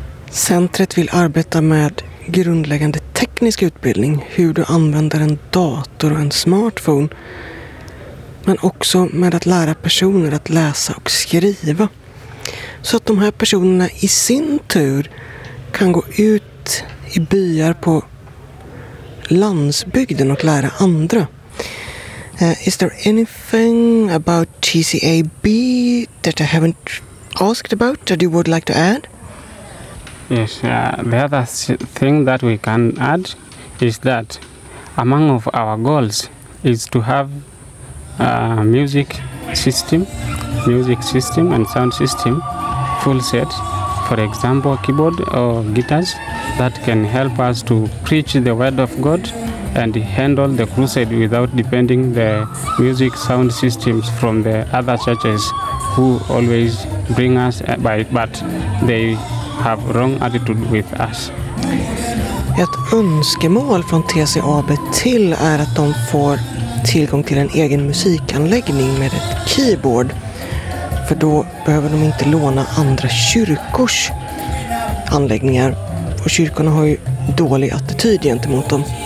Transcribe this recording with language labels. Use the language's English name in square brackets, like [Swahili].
[Swedish] Centret vill arbeta med grundläggande teknisk utbildning, hur du använder en dator och en smartphone, men också med att lära personer att läsa och skriva, så att de här personerna i sin tur kan gå ut i byar på landsbygden och lära andra. [English] Is there anything about TCAB that I haven't asked about that you would like to add? Yes, the other thing that we can add is that among of our goals is to have a music system and sound system full set, for example keyboard or guitars, that can help us to preach the word of God and handle the crusade without depending the music sound systems from the other churches who always bring us by, but they have wrong attitude with us. [Swedish] Ett önskemål från TCAB till är att de får tillgång till en egen musikanläggning med ett keyboard, för då behöver de inte låna andra kyrkors anläggningar, och kyrkorna har ju dålig attityd gentemot dem.